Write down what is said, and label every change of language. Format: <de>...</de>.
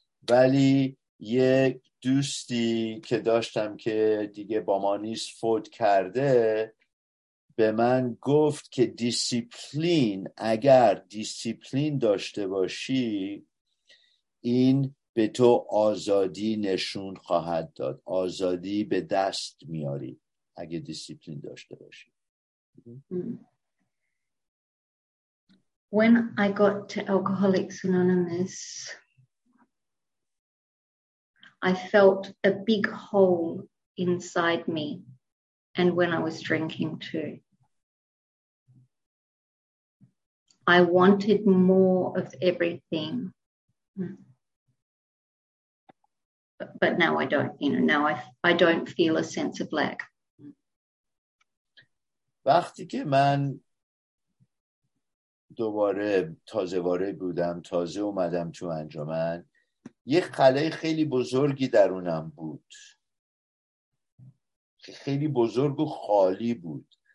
<fa>ولی یک دوستی که داشتم که دیگه با ما نیست، فوت کرده، به من گفت که دیسیپلین، اگر دیسیپلین داشته باشی، این به تو آزادی نشون خواهد داد، آزادی به دست میاری اگه دیسیپلین داشته باشی.</fa> <en>When I got to Alcoholics Anonymous, I felt a big hole inside me, and when I was drinking too, I wanted more of everything. But now I don't, I don't feel a sense of lack.</en> <fa>وقتی که من دوباره تازه وارد بودم، تازه اومدم تو انجمن، یک خلای خیلی بزرگی درونم بود، خیلی بزرگ و خالی بود.</fa>